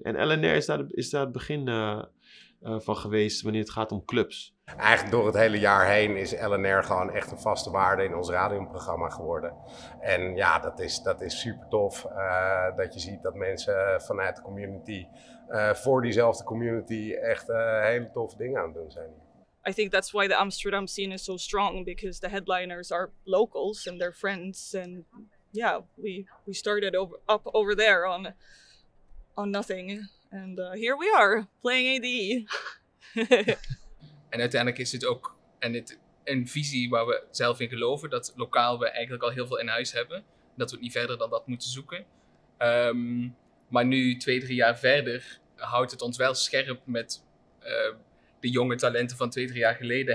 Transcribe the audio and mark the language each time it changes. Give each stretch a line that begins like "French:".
Dutch: En LNR is daar het begin van geweest wanneer het gaat om clubs. Eigenlijk door het hele jaar heen is LNR gewoon echt een vaste waarde in ons radioprogramma geworden. En ja, dat is super tof dat je ziet dat mensen vanuit de community voor diezelfde community echt hele toffe dingen aan het doen zijn.
English: I think that's why the Amsterdam scene is so strong, because the headliners are locals and they're friends. And yeah, we started over there on nothing. And here we are, playing ADE.
Dutch: En uiteindelijk is het ook een visie waar we zelf in geloven, dat lokaal we eigenlijk al heel veel in huis hebben. Dat we het niet verder dan dat moeten zoeken. Maar nu, 2-3 jaar verder, houdt het ons wel scherp met de jonge talenten van 2-3 jaar geleden.